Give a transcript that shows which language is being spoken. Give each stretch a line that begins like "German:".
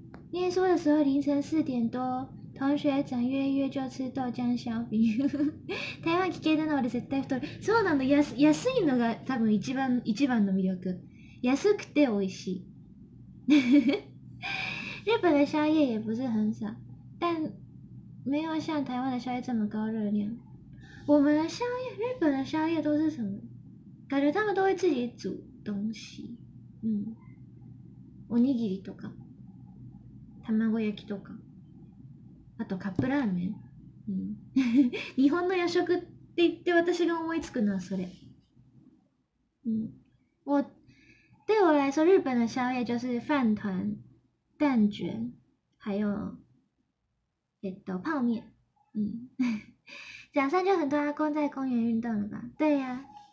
Chinese: 念书的时候凌晨4点多，同学长约就吃豆浆烧饼。
Japanese: 台湾危険なので絶対太る。そうなの、安いのが多分一番の魅力。安くて美味しい。
Chinese: 日本的宵夜也不是很少，但没有像台湾的宵夜这么高热量。我们的宵夜，日本的宵夜都是什么？感觉他们都会自己煮东西，
Japanese: おにぎりとか、卵焼きとか、あとカップラーメン、日本の夜食って言って私が思いつくのはそれ、
Chinese: 对我来说，日本的宵夜就是饭团、蛋卷，还有，泡面，早上就很多阿公在公园运动了吧？对呀。